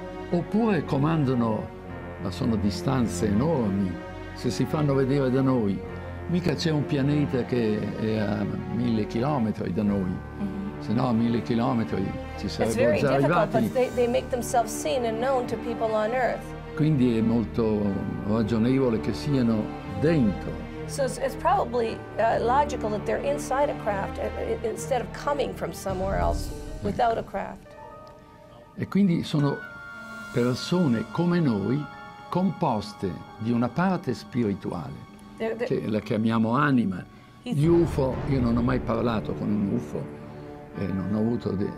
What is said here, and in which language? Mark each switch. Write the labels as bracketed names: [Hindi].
[Italian] Oppure comandano, ma sono distanze enormi, se si fanno vedere da noi. Mica c'è un pianeta che è a 1000 chilometri da noi, se no a 1000 chilometri ci sarebbero già arrivati. [English] They make themselves seen and known to people on Earth. [Italian] Quindi è molto ragionevole che siano dentro. [English] So it's probably logical that they're inside a craft instead of coming from somewhere else without a craft. [Italian] E quindi sono persone come noi, composte di una parte spirituale, che la chiamiamo anima. Gli UFO, io non ho mai parlato con un UFO, non ho avuto.